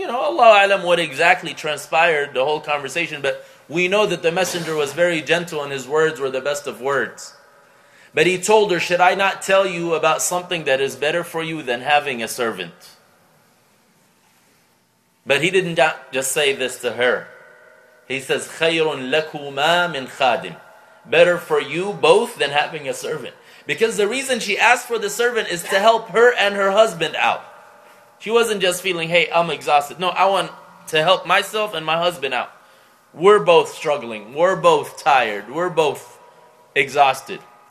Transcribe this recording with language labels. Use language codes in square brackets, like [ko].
[en] You know, Allah alam what exactly transpired, the whole conversation, but we know that the messenger was very gentle and his words were the best of words. But he told her, should I not tell you about something that is better for you than having a servant? But he didn't just say this to her. He says, [ar] خَيْرٌ لَكُمَا مِنْ خَادِمٍ. [en] Better for you both than having a servant. Because the reason she asked for the servant is to help her and her husband out. She wasn't just feeling, hey, I'm exhausted. No, I want to help myself and my husband out. We're both struggling. We're both tired. We're both exhausted.